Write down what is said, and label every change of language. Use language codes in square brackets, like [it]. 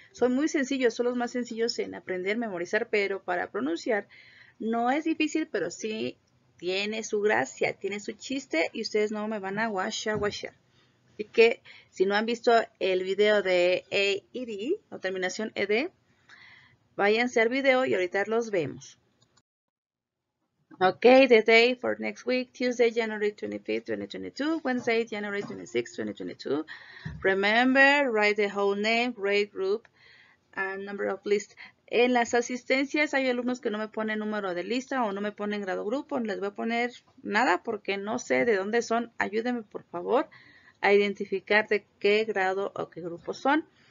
[es] Son muy sencillos, son los más sencillos en aprender, memorizar, pero para pronunciar no es difícil, pero sí tiene su gracia, tiene su chiste y ustedes no me van a washa washa. Así que si no han visto el video de AED o terminación ed, váyanse al video y ahorita los vemos. [en] Okay, the day for next week, Tuesday, January 25th, 2022. Wednesday, January 26th, 2022. Remember, write the whole name, grade group, and number of list. [es] En las asistencias hay alumnos que no me ponen número de lista o no me ponen grado grupo. No les voy a poner nada porque no sé de dónde son. Ayúdenme, por favor, a identificar de qué grado o qué grupo son.